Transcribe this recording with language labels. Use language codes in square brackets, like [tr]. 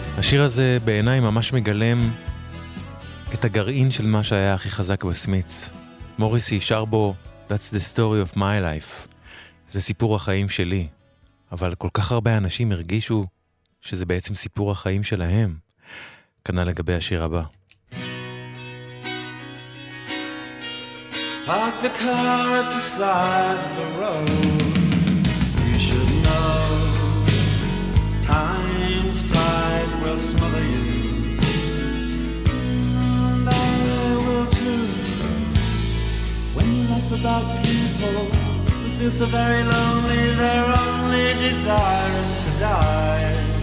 [he] השיר הזה בעיניי ממש מגלם את הגרעין של מה שהיה הכי חזק בסמיץ. מוריסי שר בו, [en] That's the story of my life. [he] זה סיפור החיים שלי. אבל כל כך הרבה אנשים הרגישו שזה בעצם סיפור החיים שלהם. כנה לגבי השיר הבא. [en] Park the car at the side of the road. You should know time's tide will smother you. And I will too. When you laugh about people, feel so very lonely, their only desire is to die.